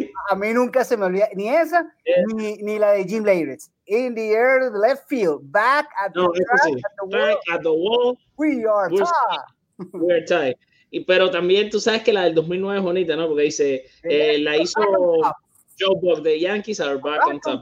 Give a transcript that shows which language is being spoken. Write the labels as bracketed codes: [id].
[es] A mí nunca se me olvida ni esa, ni la de Jim Leyritz. [en] In the air, left field, back at the wall. We are tied. [es] Pero también tú sabes que la del 2009 es bonita, ¿no? Porque dice, la hizo. [en] Joe Buck, the Yankees are back on top.